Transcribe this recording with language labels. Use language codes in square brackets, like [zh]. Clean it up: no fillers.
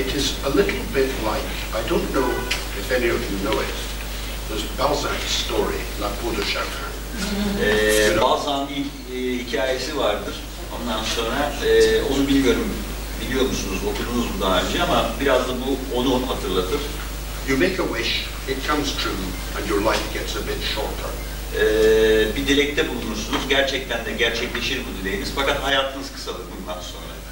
[en] It is a little bit like, I don't know if any of you know it, there's Balzac's story, La Peau de Chagrin. [tr] Balzac'ın bir hikayesi vardır. Ondan sonra onu bilmiyorum, biliyor musunuz, okudunuz mu daha önce ama biraz da bu onu hatırlatır. [en] You make a wish, it comes true and your life gets a bit shorter. [tr] Bir dilekte bulunursunuz, gerçekten de gerçekleşir bu dileğiniz fakat hayatınız kısalır bundan sonra.